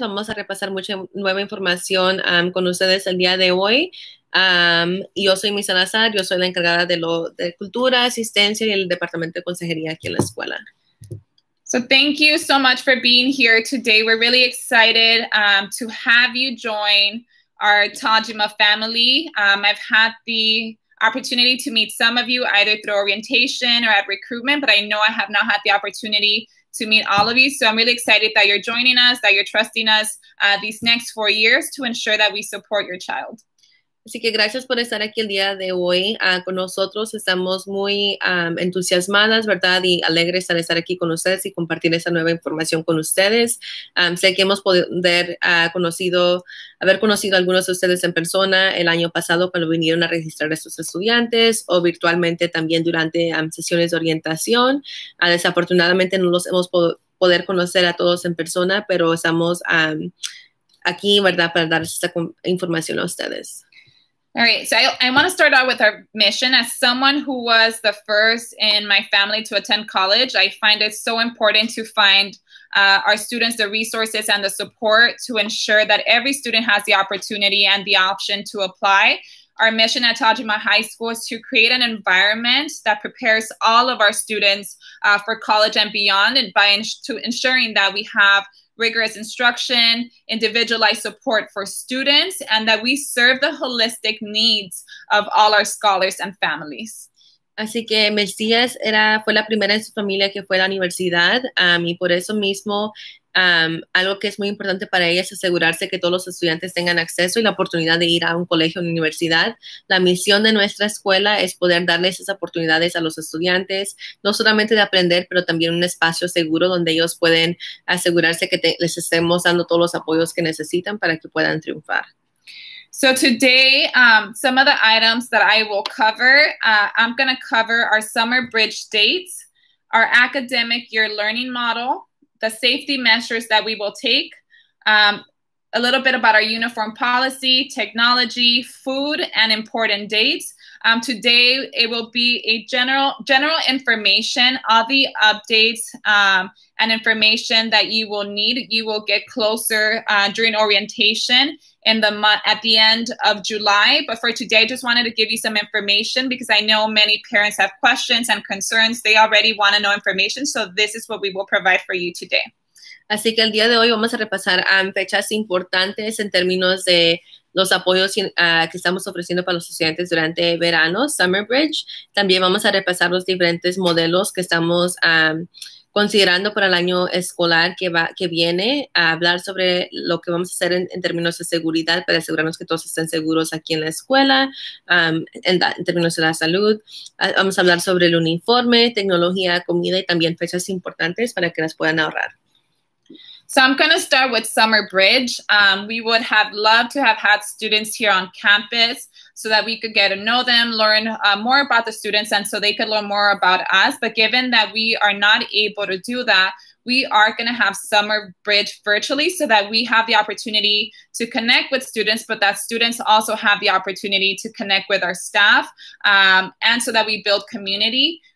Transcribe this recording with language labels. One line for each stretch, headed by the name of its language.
Spanish: Vamos a repasar mucha nueva información con ustedes el día de hoy. Yo soy Ms. Salazar. Yo soy la encargada de cultura, asistencia y el departamento de consejería aquí en la escuela.
English: So thank you so much for being here today. We're really excited to have you join our Tajima family. I've had the opportunity to meet some of you either through orientation or at recruitment, but I know I have not had the opportunity to meet all of you. So I'm really excited that you're joining us, that you're trusting us these next 4 years to ensure that we support your child.
Spanish: Así que gracias por estar aquí el día de hoy con nosotros. Estamos muy entusiasmadas, ¿verdad? Y alegres de estar aquí con ustedes y compartir esa nueva información con ustedes. Sé que hemos haber conocido a algunos de ustedes en persona el año pasado cuando vinieron a registrar a sus estudiantes o virtualmente también durante sesiones de orientación. Desafortunadamente no los hemos poder conocer a todos en persona, pero estamos aquí, ¿verdad? Para dar esta información a ustedes.
English: All right, so I want to start out with our mission. As someone who was the first in my family to attend college, I find it so important to find our students the resources and the support to ensure that every student has the opportunity and the option to apply. Our mission at Tajima High School is to create an environment that prepares all of our students for college and beyond, and by ensuring that we have rigorous instruction, individualized support for students, and that we serve the holistic needs of all our scholars and families.
Spanish: Así que Ms. Diaz fue la primera en su familia que fue a la universidad, y por eso mismo algo que es muy importante para ella es asegurarse que todos los estudiantes tengan acceso y la oportunidad de ir a un colegio o una universidad. La misión de nuestra escuela es poder darles esas oportunidades a los estudiantes, no solamente de aprender, pero también un espacio seguro donde ellos pueden asegurarse que les estemos dando todos los apoyos que necesitan para que puedan triunfar.
English: So today, some of the items that I will cover, I'm going to cover our summer bridge dates, our academic year learning model, the safety measures that we will take, a little bit about our uniform policy, technology, food, and important dates. Today, it will be a general information. All the updates and information that you will need, you will get closer during orientation in the month at the end of July. But for today, I just wanted to give you some information because I know many parents have questions and concerns. They already want to know information, so this is what we will provide for you today.
Spanish: Así que el día de hoy vamos a repasar fechas importantes en términos de los apoyos que estamos ofreciendo para los estudiantes durante verano, Summer Bridge. También vamos a repasar los diferentes modelos que estamos considerando para el año escolar que viene, a hablar sobre lo que vamos a hacer en términos de seguridad para asegurarnos que todos estén seguros aquí en la escuela, en términos de la salud. Vamos a hablar sobre el uniforme, tecnología, comida y también fechas importantes para que las puedan ahorrar.
English: So I'm going to start with Summer Bridge. We would have loved to have had students here on campus. so that we could get to know them, learn more about the students, and so they could learn more about us. But given that we are not able to do that, we are going to have Summer Bridge virtually so that we have the opportunity to connect with students, but that students also have the opportunity to connect with our staff, and so that we build community.